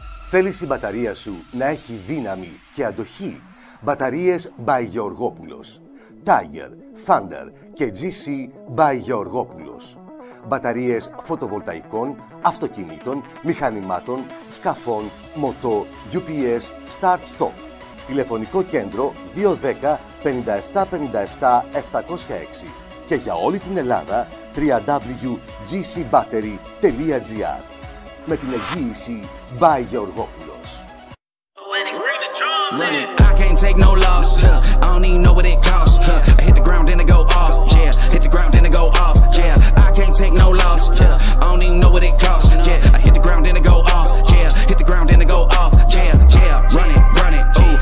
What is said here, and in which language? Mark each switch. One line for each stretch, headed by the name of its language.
Greek: Θέλεις η μπαταρία σου να έχει δύναμη και αντοχή? Μπαταρίες by Γεωργόπουλος. Tiger, Thunder και GC by Γεωργόπουλος. Μπαταρίες φωτοβολταϊκών, αυτοκινήτων, μηχανημάτων, σκαφών, μοτό, UPS, Start Stop. Τηλεφωνικό κέντρο 210-5757-706 και για όλη την Ελλάδα www.gcbattery.gr με την εγγύηση by Γεωργόπουλος.
English: I can't take no loss, I don't even know what it costs. I hit the ground and it go off, yeah. Hit the ground and it go off, yeah. I can't take no loss, yeah. I don't even know what it costs, yeah. I hit the ground and it go off, yeah. Hit the ground and it go off, yeah, yeah. Run it, run it, ooh.